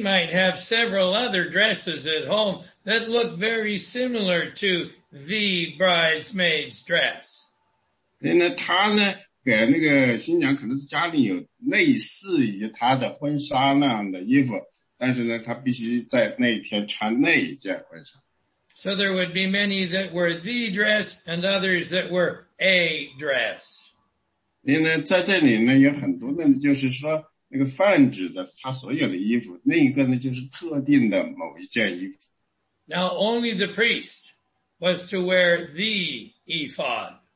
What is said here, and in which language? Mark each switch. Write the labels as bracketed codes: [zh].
[en] might have several other dresses at home that look very similar to the bridesmaid's dress. [zh] 因为她呢， 给那个新娘可能是家里有类似于她的婚纱那样的衣服，但是呢，她必须在那一天穿那一件婚纱。 [en] So there would be many that were the dress and others that were a dress. [zh] 因为在这里呢，有很多呢，就是说那个泛指的她所有的衣服，另一个呢，就是特定的某一件衣服。 [en] Now only the priest was to wear the ephod.